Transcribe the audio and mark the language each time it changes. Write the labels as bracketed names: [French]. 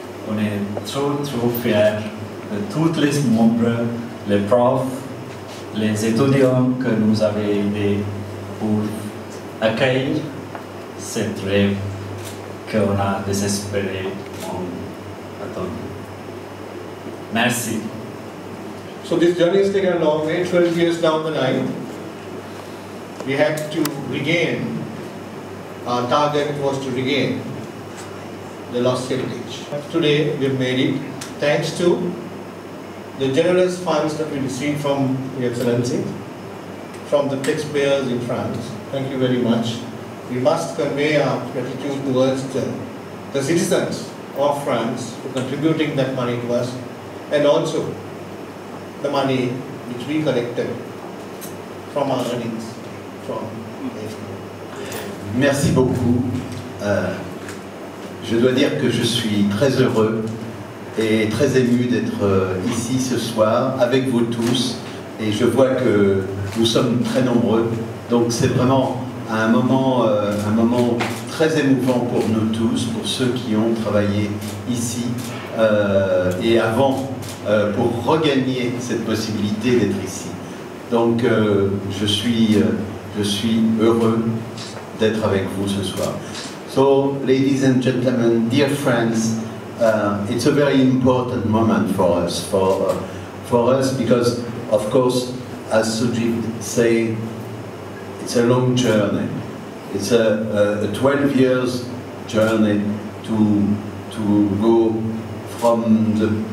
[French] On est trop, trop fiers de tous les membres, les profs, les étudiants que nous avons aidés pour accueillir cette rêve qu'on a désespéré en attendant. Merci. [English] So this journey is taking a long way, 12 years down the line. We had to regain, our target was to regain the lost heritage. Today we've made it thanks to the generous funds that we received from Your Excellency, from the taxpayers in France. Thank you very much. We must convey our gratitude towards the citizens of France for contributing that money to us, and also the money which we collected from our earnings from AFCO. [French] Merci beaucoup. Je dois dire que je suis très heureux et très ému d'être ici ce soir avec vous tous, et je vois que nous sommes très nombreux, donc c'est vraiment un moment très émouvant pour nous tous, pour ceux qui ont travaillé ici et avant pour regagner cette possibilité d'être ici. Donc je suis heureux d'être avec vous ce soir. [English] So, ladies and gentlemen, dear friends, it's a very important moment for us, because, of course, as Sujit said, it's a long journey. It's a 12 years journey to go from the